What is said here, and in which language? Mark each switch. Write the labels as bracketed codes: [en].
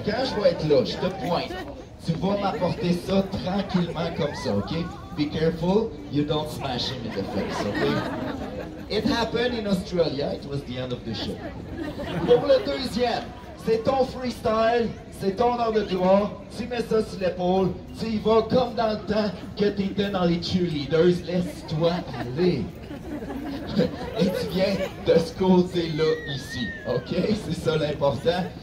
[fr] Quand je vais être là, je te pointe. Tu vas m'apporter ça tranquillement comme ça, okay? [en] Be careful, you don't smash him in the face, okay? It happened in Australia, it was the end of the show. [fr] Pour le deuxième, c'est ton freestyle. C'est ton heure de gloire, tu mets ça sur l'épaule, tu y vas comme dans le temps que t'étais dans les cheerleaders, laisse-toi aller. Et tu viens de ce côté-là ici, ok? C'est ça l'important.